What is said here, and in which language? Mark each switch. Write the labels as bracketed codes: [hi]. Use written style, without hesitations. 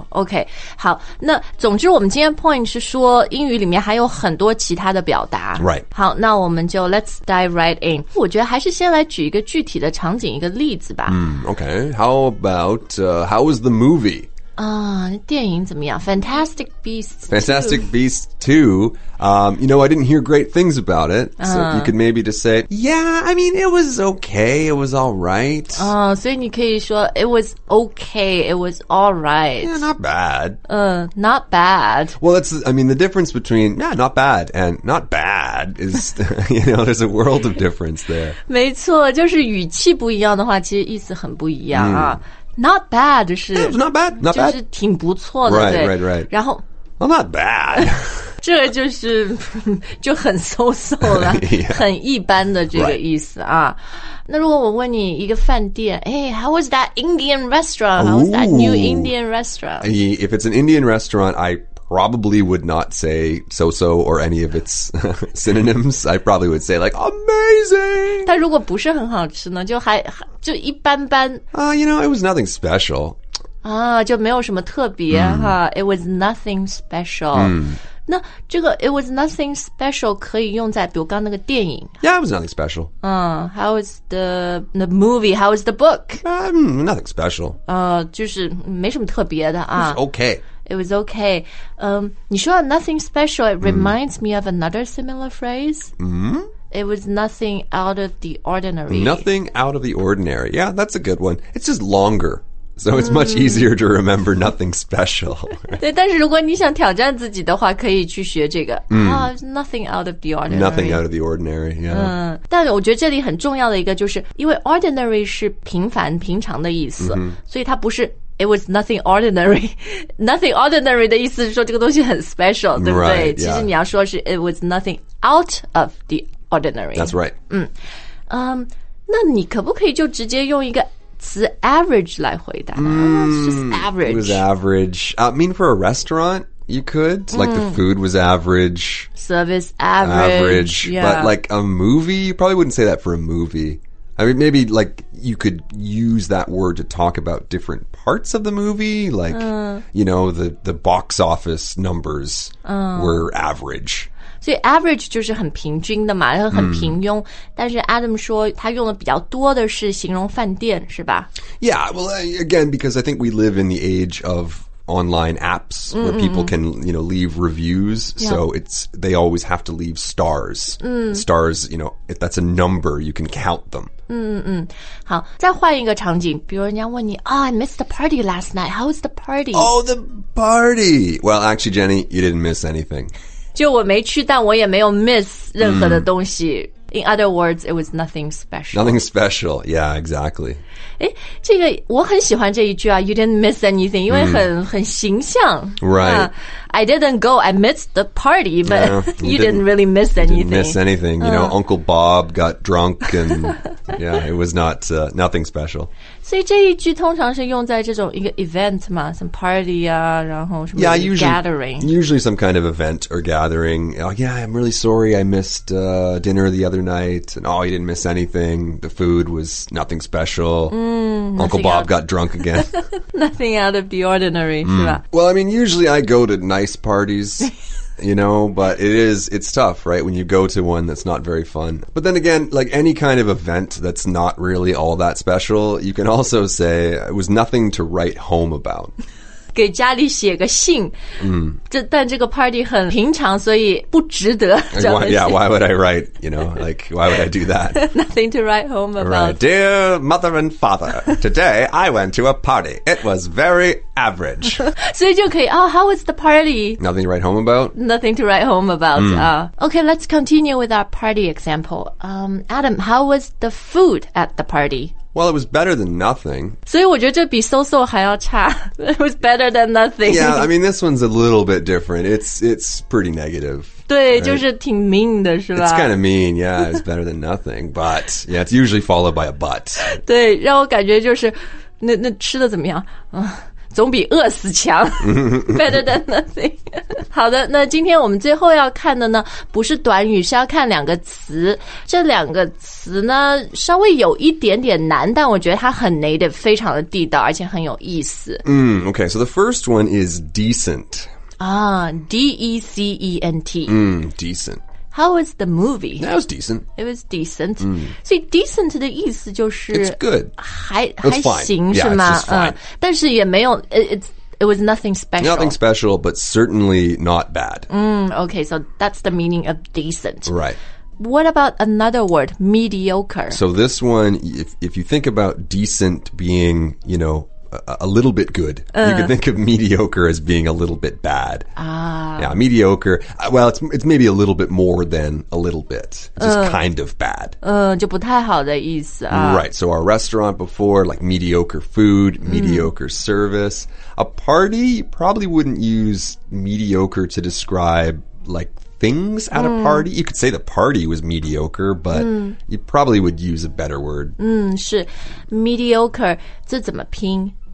[zh] Okay, 好，那总之我们今天 point 是说英语里面还有很多其他的表达。 [en] Right. [zh] 好，那我们就 [en] let's dive right in. [zh] 我觉得还是先来举一个具体的场景，一个例子吧。 [en] Okay, how about, how was the movie? [zh] 电影怎么样 Fantastic Beasts 2. [en] Fantastic Beasts 2. You know, I didn't hear great things about it. So you could maybe just say, yeah, I mean, it was okay. It was all right. So you can say, it was okay. It was all right. Yeah, not bad. Not bad. Well, the difference between, yeah, not bad and not bad is, you know, there's a world of difference there. [zh] 没错，就是语气不一样的话，其实意思很不一样啊。 Not bad 是 [en] yeah, not bad, not bad. [zh] 就是挺不错的 [en] right, [zh] 对 [en] right, right. [zh] 然后 [en] well, not bad [zh] 这就是就很 so-so 了 [en] yeah. [zh] 很一般的这个意思啊、 [en] right. [zh] 那如果我问你一个饭店 [en] Hey, how was that Indian restaurant? How was that new Indian restaurant? Ooh, if it's an Indian restaurant, I probably would not say so-so or any of its synonyms. I probably would say like amazing [zh] 但如果不是很好吃呢就还就一般般 [en] You know, it was nothing special. [zh] 就没有什么特别哈 [en] It was nothing special. [zh] 那这个 [en] it was nothing special [zh] 可以用在比如刚那个电影 [en] Yeah, it was nothing special. How was the movie? How was the book? Nothing special. [zh] 就是没什么特别的啊 [en] Okay. It was okay. [zh] 你说 [en] nothing special, it reminds me of another similar phrase. It was nothing out of the ordinary. Nothing out of the ordinary. Yeah, that's a good one. It's just longer. So it's much easier to remember nothing special. [zh] 对，但是如果你想挑战自己的话，可以去学这个。 [en] Nothing out of the ordinary. Nothing out of the ordinary, yeah. [zh] 但我觉得这里很重要的一个就是，因为 ordinary 是平凡、平常的意思，所以它不是 [en] It was nothing ordinary. [zh] Nothing ordinary 的意思是说这个东西很 special, 对不对 [en] right,、yeah. [zh] 其实你要说是 [en] it was nothing out of the ordinary. That's right. [zh] 那你可不可以就直接用一个词 average 来回答 [en] just average. It was average. I mean, for a restaurant, you could. Like the food was average. Service average. Average.、 Yeah. But like a movie, you probably wouldn't say that for a movie. I mean, maybe, like, you could use that word to talk about different parts of the movie. Like, you know, the box office numbers were average. [zh] So average 就是很平均的嘛很平庸。但是 Adam 说他用的比较多的是形容饭店是吧 [en] Yeah, well, again, because I think we live in the age of online apps where mm-hmm. people can, you know, leave reviews. Yeah. So it's, they always have to leave stars. Mm. Stars, you know, if that's a number, you can count them. [zh] 好，再换一个场景，比如人家问你 [en] Oh, I missed the party last night. How was the party? Oh, the party. Well, actually, Jenny, you didn't miss anything. [zh] 就我没去，但我也没有 miss 任何的东西。 [en] In other words, it was nothing special. Nothing special. Yeah, exactly. [zh] 诶，这个我很喜欢这一句啊 [en] You didn't miss anything, [zh] 因为很、mm. 很形象。 [en] Right.、 I didn't go, I missed the party, but yeah, you didn't really miss anything. Didn't miss anything. You know, Uncle Bob got drunk and yeah, it was not, nothing special. [zh] 所以这一句通常是用在这种一个 event 嘛 [en] some party [zh] 啊然后什么 gathering. [en] Usually some kind of event or gathering. Oh, yeah, I'm really sorry I missed dinner the other night. And, oh, you didn't miss anything. The food was nothing special. Uncle Bob got drunk again. Nothing out of the ordinary, 是吧 Well, I mean, usually I go to nice parties, you know, but it's tough, right, when you go to one that's not very fun. But then again, like any kind of event that's not really all that special, you can also say it was nothing to write home about. [zh] 给家里写个信、mm. 这但这个 party 很平常所以不值得 [en] why would I write, you know, like, why would I do that? Nothing to write home about. Right. Dear mother and father, today I went to a party. It was very average. [zh] 所以就可以 [en] oh, how was the party? Nothing to write home about? Nothing to write home about.、Mm. Okay, let's continue with our party example. Adam, how was the food at the party? Well, it was better than nothing. [zh] 所以我觉得这比 so-so 还要差 [en] It was better than nothing. Yeah, I mean, this one's a little bit different. It's pretty negative. [zh] 对、right? 就是挺 mean 的是吧 [en] It's kind of mean, yeah. It's better than nothing. But, yeah, it's usually followed by a but. [zh] 对让我感觉就是那吃的怎么样、总比饿死强 [en] Better than nothing. [zh] 好的那今天我们最后要看的呢不是短语是要看两个词。这两个词呢稍微有一点点难但我觉得它很 native, 非常的地道而且很有意思。 [en] Okay, so the first one is decent. Ah, D-E-C-E-N-T. Decent. How was the movie? That was decent. It was decent.、Mm. [zh] 所以 decent 的意思就是 [en] It's good. [zh] 还行 [en] yeah, [zh] 是吗 [en] Yeah, it's just fine.、 [zh] 但是也没有 [en] it was nothing special. Nothing special, but certainly not bad.、 Okay, so that's the meaning of decent. Right. What about another word, mediocre? So this one, if you think about decent being, you know,a little bit good.、You could think of mediocre as being a little bit bad. Yeah, mediocre. Well, it's maybe a little bit more than a little bit. Just kind of bad. [zh] 就不太好的意思、 [en] Right, so our restaurant before, like mediocre food, mediocre、service. A party, you probably wouldn't use mediocre to describe like things at、a party. You could say the party was mediocre, but、you probably would use a better word. [zh] 是 mediocre, 这怎么拼